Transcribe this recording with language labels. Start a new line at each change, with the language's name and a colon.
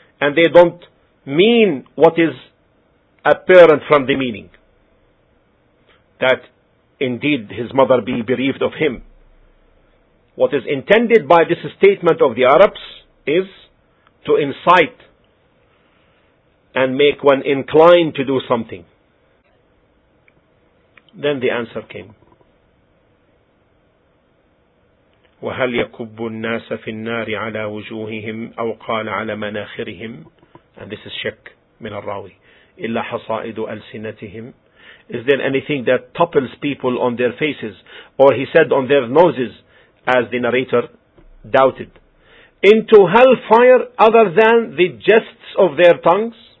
English: And they don't mean what is apparent from the meaning, that indeed his mother be bereaved of him. What is intended by this statement of the Arabs is to incite and make one inclined to do something. Then the answer came,
Arabic: وَهَلْ يَكُبُّ النَّاسَ فِي النَّارِ عَلَى وُجُوهِهِمْ أَوْ قَالَ عَلَى مَنَاخِرِهِمْ.
English: And this is
Arabic: shak min al-rawi. إِلَّا حَصَائِدُ أَلْسِنَتِهِمْ.
English: Is there anything that topples people on their faces? Or he said on their noses, as the narrator doubted. Into hellfire other than the jests of their tongues?